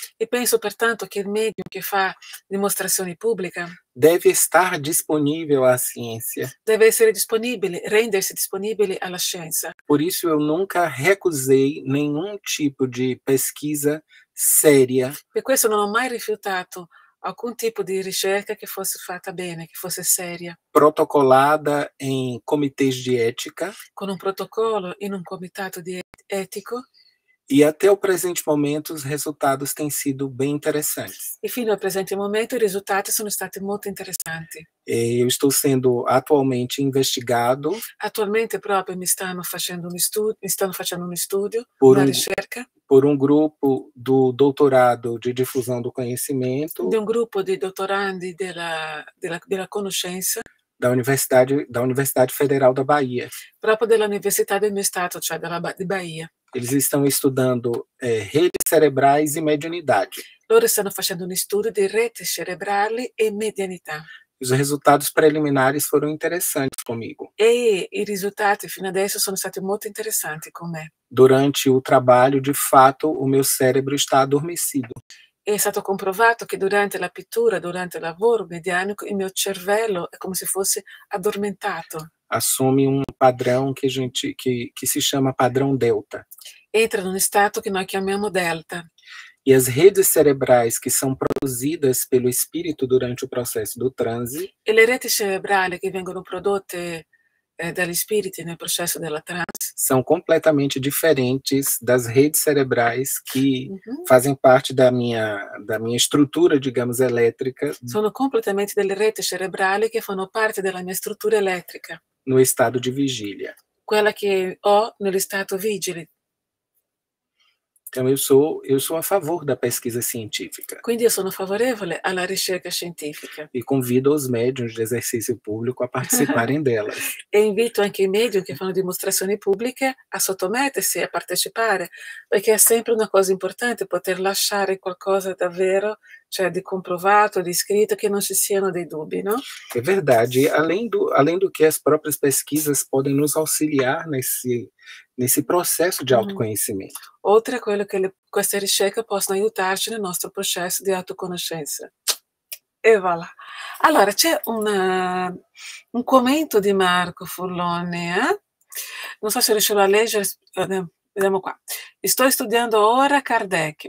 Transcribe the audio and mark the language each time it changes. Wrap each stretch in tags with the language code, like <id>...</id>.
<pt>E penso, portanto, que o médium que faz demonstração pública deve estar disponível à ciência. deve ser disponível, render-se disponível à ciência. Por isso eu nunca recusei nenhum tipo de pesquisa séria.</pt> <it>Per questo non ho mai rifiutato alcun tipo di ricerca che fosse fatta bene, che fosse seria,</it> <pt>Protocolada em comitês de ética.</pt> <it>con un protocollo in un comitato di etico.</it> <pt>E até o presente momento, os resultados têm sido bem interessantes.</pt> <it>E fino al presente momento i risultati sono stati molto interessanti.</it> <pt>E eu estou sendo atualmente investigado</pt> <it>Attualmente proprio mi stanno facendo un studio, una ricerca,</it> <pt>por um grupo do doutorado de difusão do</pt> <it>di</it> <pt>conhecimento.</pt> <it>un gruppo di dottorandi della conoscenza,</it> <pt>Da Universidade Federal da Bahia.</pt> <it>proprio dell'università del mio stato, cioè di Bahia.</it> <pt>Eles estão estudando redes cerebrais e mediunidade.</pt> <it>Loro stanno facendo un studio di reti cerebrali e medianità.</it> <pt>Os resultados preliminares foram interessantes comigo.</pt> <it>E i risultati fino adesso sono stati molto interessanti con me.</it> <pt>Durante o trabalho, de fato, o meu cérebro está adormecido.</pt> <it>È stato comprovato che durante la pittura, durante il lavoro medianico, il mio cervello è come se fosse addormentato.</it> <pt>Assume um padrão que a gente que se chama padrão delta.</pt> <it>Entra in un stato che noi chiamiamo delta.</it> <pt>E as redes cerebrais que são produzidas pelo espírito durante o processo do transe,</pt> <it>E le reti cerebrali che vengono prodotte dagli spiriti nel processo della trance.</it> <pt>são completamente diferentes das redes cerebrais que fazem parte da minha estrutura, digamos, elétrica.</pt> <it>Sono completamente delle reti cerebrali che fanno parte della mia struttura elettrica,</it> <pt>No estado de vigília.</pt> <it>quella che ho nello stato vigile.</it> <pt>Então eu sou a favor da pesquisa científica.</pt> <it>Quindi io sono favorevole alla ricerca scientifica.</it> <pt>E convido os médiuns de exercício público a participarem delas.</pt> <it>E invito anche i medium che fanno dimostrazioni pubbliche a sottomettersi e a partecipare, perché è sempre una cosa importante poter lasciare qualcosa davvero, cioè di comprovato, di scritto, che non ci siano dei dubbi, no?</it> <pt>È verdade, além do che as próprias pesquisas podem nos auxiliar nesse processo di autoconhecimento.</pt> <it>Oltre a quello che queste ricerche possono aiutarci nel nostro processo di autoconoscenza. E voilà. Allora, c'è un commento di Marco Furlone. Non so se riuscirò a leggere. Vediamo qua. Sto studiando ora Kardec.</it>